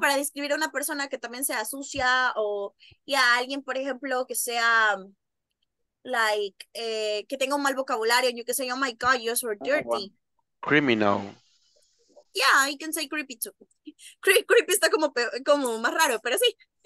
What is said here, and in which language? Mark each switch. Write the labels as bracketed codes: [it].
[es] Para describir a una persona que también sea sucia o y a alguien, por ejemplo, que sea like, que tenga un mal vocabulario. [en] You can say, oh my God, you're so dirty. Criminal. Yeah, you can say creepy too. [es] Creepy está como, como más raro, pero sí.